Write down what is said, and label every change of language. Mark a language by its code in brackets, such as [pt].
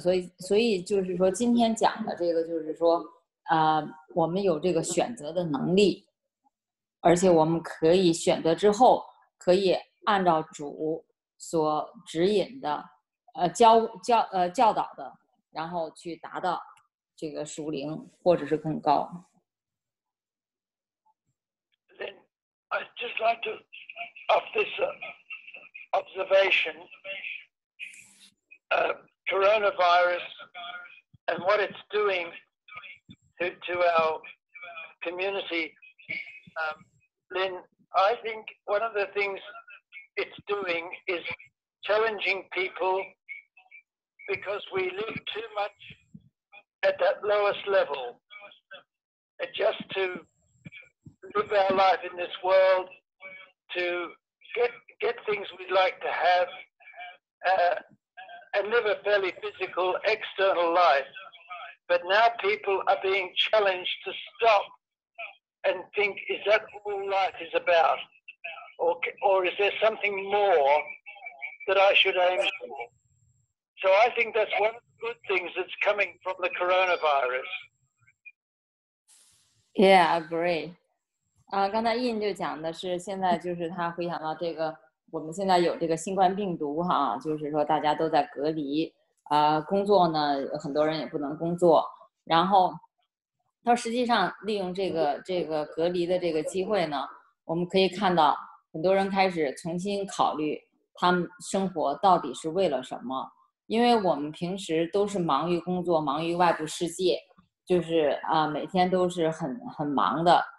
[zh] 所以就是说今天讲的这个就是说我们有这个选择的能力，而且我们可以选择之后可以按照主所指引的教导的，然后去达到这个属灵或者是更高。 [en] Then I just like to of this observation, coronavirus and what it's doing to our community. Lynn, I think one of the things it's doing is challenging people because we live too much at that lowest level, just to live our life in this world, to get things we'd like to have, and live a fairly physical external life. But now people are being challenged to stop and think, is that all life is about? Or is there something more that I should aim for? So I think that's one of the good things that's coming from the coronavirus. Yeah, I agree. [zh] 刚才印就讲的是，现在就是他回想到这个，我们现在有这个新冠病毒哈，就是说大家都在隔离，工作呢很多人也不能工作，然后他实际上利用这个隔离的这个机会呢，我们可以看到很多人开始重新考虑他们生活到底是为了什么，因为我们平时都是忙于工作，忙于外部世界，就是每天都是很忙的。